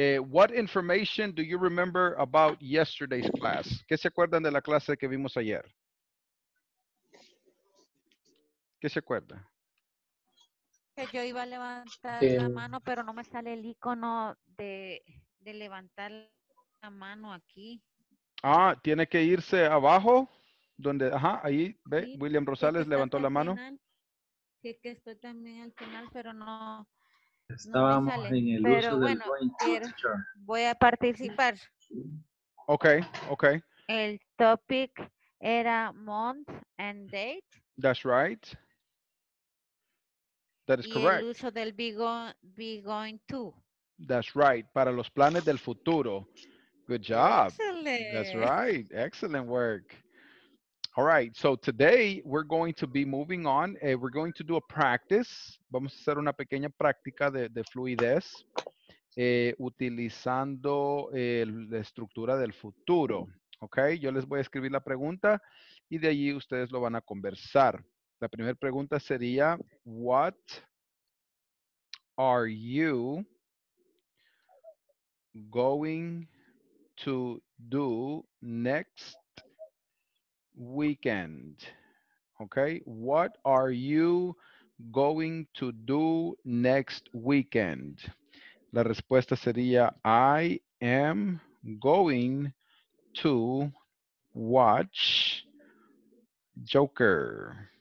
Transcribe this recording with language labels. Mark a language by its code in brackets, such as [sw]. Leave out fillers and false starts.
[en] What information do you remember about yesterday's class? [es] ¿Qué se acuerdan de la clase que vimos ayer? ¿Qué se acuerda? Que yo iba a levantar la mano, pero no me sale el icono de levantar la mano aquí. Ah, tiene que irse abajo, donde, ajá, ahí, ve, sí, William Rosales levantó la mano. Final. Sí, que estoy también al final, pero no. Estábamos no en el pero uso bueno, del voy a participar. [en] Ok, ok. [es] El topic era [en] month and date. That's right. That is [es] y [en] correct. [es] Y el uso del [en] be going to. That's right. [es] Para los planes del futuro. [en] Good job. Excellent. That's right. Excellent work. All right, so today we're going to be moving on. We're going to do a practice. [es] Vamos a hacer una pequeña práctica de fluidez utilizando la estructura del futuro. Okay, yo les voy a escribir la pregunta y de allí ustedes lo van a conversar. La primera pregunta sería, [en] what are you going to do next weekend? Okay, what are you going to do next weekend? [es] La respuesta sería, [en] I am going to watch Joker.